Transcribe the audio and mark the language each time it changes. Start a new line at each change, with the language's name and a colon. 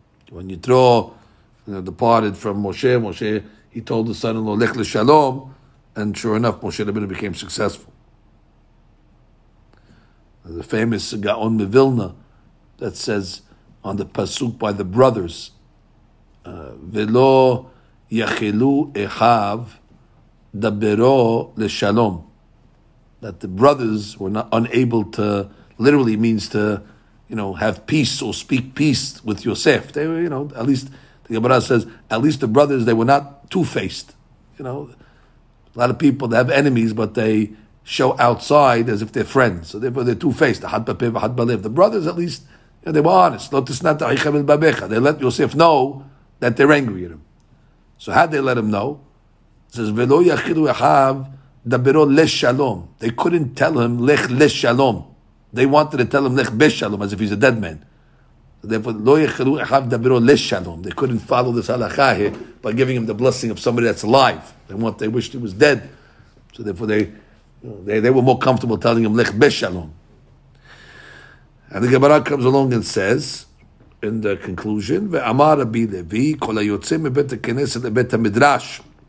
English: When Yitro departed from Moshe, he told his son-in-law
Hebrew: lech leshalom,
English: and sure enough, Moshe Rabbeinu became successful. The famous Gaon Mevilna that says on the pasuk by the brothers.
Hebrew: ולא יחלו אחיו דברו לשלום.
English: That the brothers were not unable to, literally means to, you know, have peace or speak peace with Yosef. They were, you know, at least, the Gemara says, at least the brothers, they were not two-faced. You know, a lot of people, they have enemies, but they show outside as if they're friends. So therefore, they're two-faced. The brothers, at least, you know, they were honest. They let Yosef know that they're angry at him. So how'd they let him know? It says,
Hebrew: ולא יחילו אחיו דברו לשלום.
English: They couldn't tell him,
Hebrew: לך לשלום.
English: They wanted to tell him,
Hebrew: לך בשלום,
English: as if he's a dead man. Therefore,
Hebrew: לא יחילו אחיו דברו לשלום.
English: They couldn't follow this הלכה here by giving him the blessing of somebody that's alive. They wished he was dead. So therefore, they were more comfortable telling him,
Hebrew: לך בשלום.
English: And the Gemara comes along and says, in the conclusion,
Hebrew: ואמר רבי לוי, כל היוצא מבית הכנסת לבית המדרש.